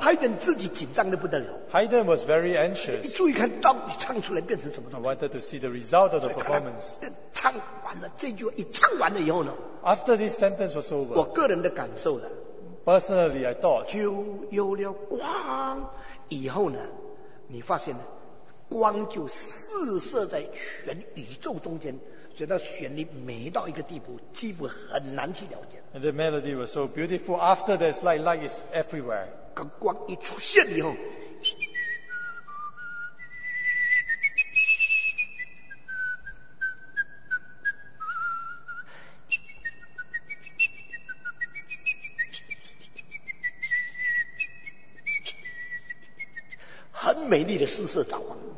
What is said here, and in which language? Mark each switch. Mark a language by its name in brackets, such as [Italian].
[Chinese] Haydn 自己紧张得不得了 [English] Haydn was very anxious. [Chinese] 注意看到底唱出来变成什么 [English] I wanted to see the result of the performance. [Chinese] 唱完了这句话一唱完了以后呢 [English] After this sentence was over, [Chinese] 我个人的感受呢 [English] personally, I thought, [Chinese] 就有了光以后呢你发现光就四射在全宇宙中间所以它旋律每到一个地步几乎很难去了解 [English] And the melody was so beautiful, after this light, light is everywhere. [Chinese] 跟光一出现以后美丽的四射导光